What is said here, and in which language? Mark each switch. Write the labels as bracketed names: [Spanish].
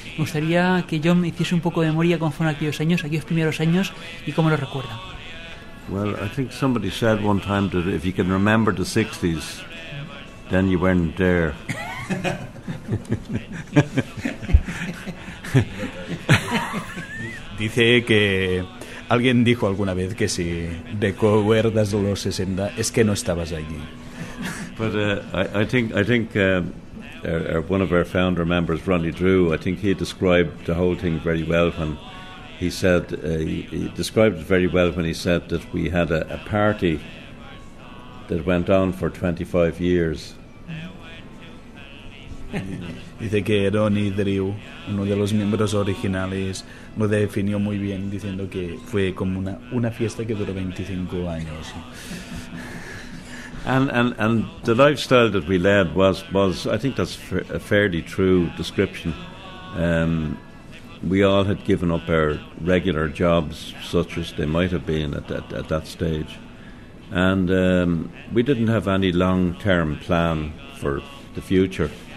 [Spanish] Me gustaría que John hiciese un poco de memoria cómo fueron aquellos primeros años y cómo los recuerda. [English] Well, I think somebody said one time that if you can remember the 60s, then you weren't there. [Spanish] Dice que alguien dijo alguna vez que si recuerdas los 60 es que no estabas allí. [English] But I think one of our founder members, Ronnie Drew, I think he described the whole thing very well when he said that we had a party that went on for 25 years. [Spanish] Dice que Ronnie Drew, uno de los miembros originales, lo definió muy bien diciendo que fue como una fiesta que duró 25 años. [English] And the lifestyle that we led was I think that's a fairly true description. We all had given up our regular jobs, such as they might have been at that stage, and we didn't have any long-term plan for the future.